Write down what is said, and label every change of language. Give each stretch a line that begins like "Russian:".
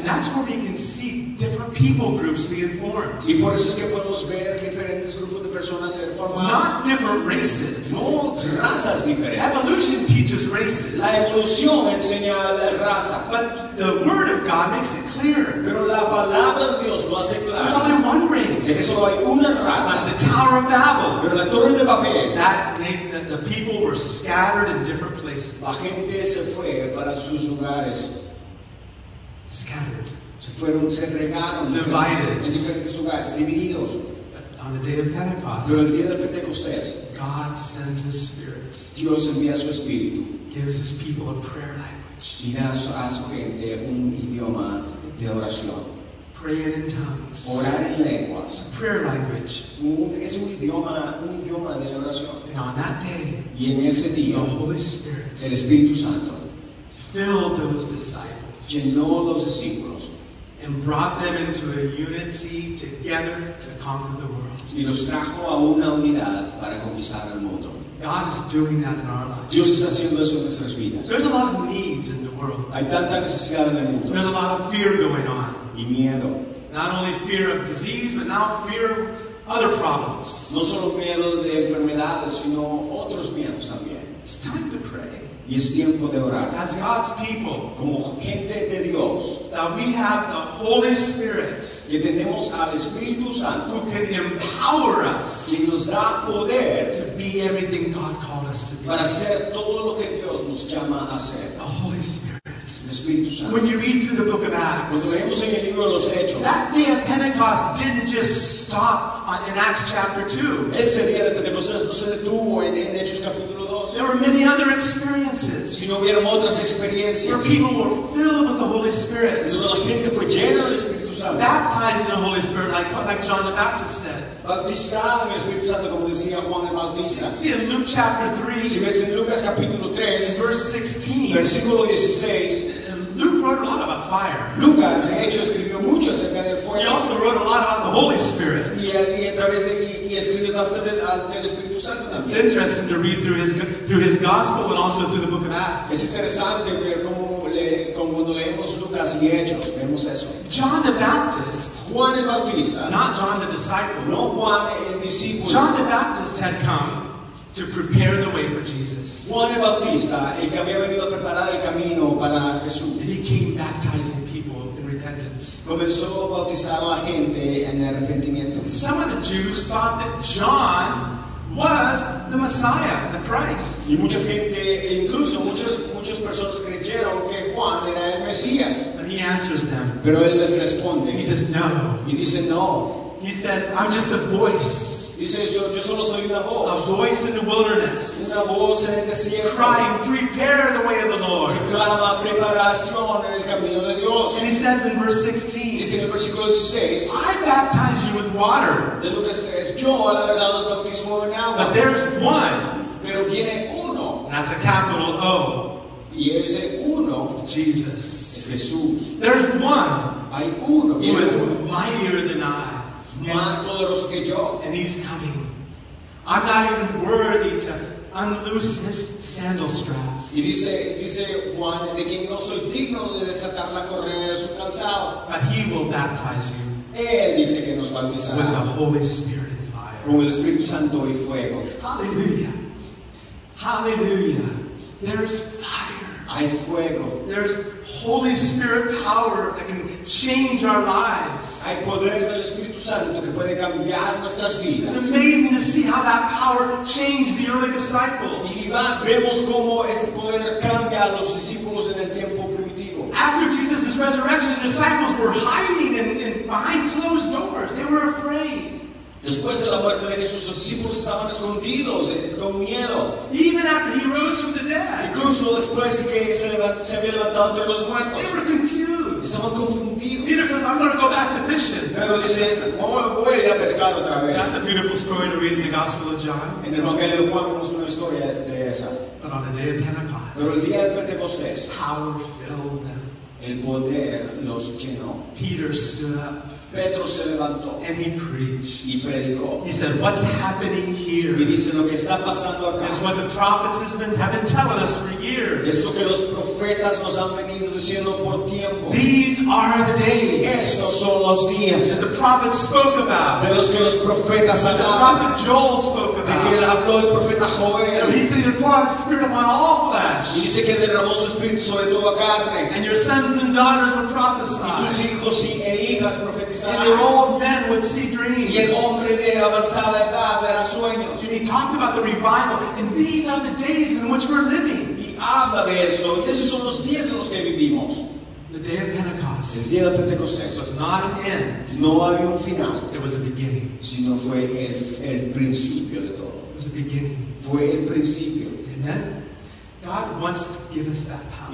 English: And that's where we can see different people groups being formed.
Spanish: Y por eso es que podemos ver diferentes grupos de personas ser formados.
English: Not different races.
Spanish: No razas diferentes.
English: Evolution teaches races.
Spanish: La evolución enseña la raza.
English: But the word of God makes it clear.
Spanish: Pero la palabra de Dios lo hace claro.
English: There's only one race.
Spanish: Es que solo hay una raza.
English: But the Tower of Babel.
Spanish: Pero la Torre de Babel.
English: That the people were scattered in different places.
Spanish: La gente se fue para sus lugares.
English: Scattered.
Spanish: Se fueron, se regaron.
English: Divided.
Spanish: En diferentes lugares, divididos.
English: But on the day of Pentecost.
Spanish: Pero el día de Pentecostés.
English: God sends His Spirit.
Spanish: Dios envía su Espíritu.
English: Gives His people a prayer language.
Spanish: Y da a su gente un idioma de oración.
English: Praying in tongues.
Spanish: Orar en lenguas.
English: Prayer language.
Spanish: Es un idioma de oración.
English: And on that day.
Spanish: Y en ese día.
English: The Holy Spirit.
Spanish: El Espíritu Santo.
English: Filled those disciples.
Spanish: Llenó los discípulos.
English: And brought them into a unity together to conquer the world.
Spanish: Y los trajo a una unidad para conquistar el mundo.
English: God is doing that in our lives.
Spanish: Dios está haciendo eso en nuestras vidas.
English: There's a lot of needs in the world.
Spanish: Hay tanta necesidad en el mundo.
English: There's a lot of fear going on.
Spanish: Y miedo.
English: Not only fear of disease, but now fear of other problems.
Spanish: No solo miedo de enfermedades, sino otros miedos también.
English: It's time to pray.
Spanish: Y es tiempo de orar.
English: As God's people,
Spanish: como gente de Dios,
English: that we have the Holy Spirit,
Spanish: que tenemos al Espíritu Santo,
English: who can empower us,
Spanish: que nos da poder,
English: to be everything God called us to be,
Spanish: para ser todo lo que Dios nos llama a ser.
English: The Holy Spirit,
Spanish: el Espíritu Santo.
English: When you read through the Book of Acts,
Spanish: cuando leemos en el libro de los Hechos,
English: that day of Pentecost didn't just stop in Acts chapter 2.
Spanish: Ese día de Pentecostés no se detuvo en Hechos capítulo.
English: There were many other experiences.
Spanish: Si no hubieron otras experiencias.
English: Where people were filled with the Holy Spirit.
Spanish: La gente fue llena del Espíritu Santo.
English: Baptized in the Holy Spirit, like John the Baptist said.
Spanish: Bautizado en el Espíritu Santo, como decía Juan el Bautista.
English: See in Luke chapter 3.
Spanish: Si ves en Lucas capítulo 3.
English: Verse 16.
Spanish: Versículo 16.
English: Luke wrote a lot about fire.
Spanish: Lucas, de hecho, escribió mucho acerca del fuego.
English: He also wrote a lot about the Holy Spirit.
Spanish: Del Espíritu Santo también.
English: It's interesting to read through his gospel and also through the Book of Acts.
Spanish: Es interesante ver cómo cuando leemos Lucas y Hechos, vemos eso.
English: John the Baptist.
Spanish: Juan el Bautista.
English: Not John the disciple.
Spanish: No Juan el discípulo.
English: John the Baptist had come to prepare the way for Jesus.
Spanish: Juan el Bautista, el que había venido a preparar el camino para Jesús.
English: He came baptizing people in repentance.
Spanish: Comenzó a bautizar a la gente en arrepentimiento.
English: Some of the Jews thought that John was the Messiah, the Christ.
Spanish: Y mucha gente, incluso muchas personas creyeron que Juan era el Mesías.
English: And he answers them.
Spanish: Pero él les responde.
English: He says, no.
Spanish: Y dice, no.
English: He says, I'm just a voice.
Spanish: Dice, yo solo soy una voz.
English: A voice in the wilderness.
Spanish: Una voz en el desierto.
English: Crying, prepare the way of the Lord.
Spanish: Que clama preparación en el camino de Dios.
English: And he says in verse 16.
Spanish: Dice en el versículo 16.
English: I baptize you with water.
Spanish: De Lucas 3. Yo, la verdad, los bautizo en agua.
English: But there's one.
Spanish: Pero viene otro.
English: That's a capital O.
Spanish: Y él dice uno.
English: It's Jesus.
Spanish: Es Jesús.
English: There's one.
Spanish: Hay uno.
English: Who is mightier than I.
Spanish: Más poderoso que yo.
English: And he's coming. I'm not even worthy to unloose his sandal straps.
Spanish: Y dice Juan, de quien no soy digno de desatar la correa de su calzado.
English: But he will baptize you.
Spanish: Él dice que nos bautizará.
English: With the Holy Spirit and fire.
Spanish: Con el Espíritu Santo y fuego.
English: Hallelujah. Hallelujah. There's fire.
Spanish: Hay fuego.
English: There's Holy Spirit power that can change our lives.
Spanish: Hay poder del Espíritu Santo que puede cambiar nuestras vidas.
English: It's amazing to see how that power changed the early disciples.
Spanish: Y vemos cómo este poder cambia a los discípulos en el tiempo primitivo.
English: After Jesus' resurrection, the disciples were hiding in behind closed doors. They were afraid.
Spanish: Después de la muerte de Jesús, sus discípulos estaban escondidos, con miedo.
English: Even after he rose from the dead.
Spanish: Incluso después que se había levantado entre los muertos.
English: They were confused.
Spanish: Estaban confundidos.
English: Peter says, I'm going to go back to fishing.
Spanish: Pero dice, voy a ir a pescar otra vez.
English: That's a beautiful story to read in the Gospel of John.
Spanish: En el Evangelio de Juan vemos una historia de esas.
English: But on the day of Pentecost.
Spanish: Pero el día de Pentecostés.
English: Power filled them.
Spanish: El poder los llenó.
English: Peter stood up.
Spanish: Pedro se levantó,
English: and he preached.
Spanish: Y predicó.
English: He said, what's happening here?
Spanish: Y dice, lo que está pasando acá.
English: Is what the prophets have been telling us for years.
Spanish: Es lo que los profetas nos han venido diciendo por tiempo.
English: These are the days.
Spanish: Estos son los días.
English: That the prophets spoke about.
Spanish: De los que los profetas hablaron.
English: The prophet Joel spoke about.
Spanish: De que habló el profeta Joel.
English: And he said, he poured the Spirit upon all flesh.
Spanish: Y dice que derramó su espíritu sobre toda carne.
English: And your sons and daughters were prophesied.
Spanish: Y tus hijos y e hijas profetizaron.
English: And your old men would see dreams.
Spanish: Y el hombre de avanzada edad verá sueños.
English: And he talked about the revival, and these are the days in which we're living.
Spanish: Y habla de eso. Y esos son los días en los que vivimos.
English: The day of Pentecost.
Spanish: El día de Pentecostés.
English: Was not an end.
Spanish: No había un final.
English: It was a beginning.
Spanish: Sino fue el principio de todo.
English: It was a beginning.
Spanish: Fue el principio.
English: Amen. God wants to give us that power.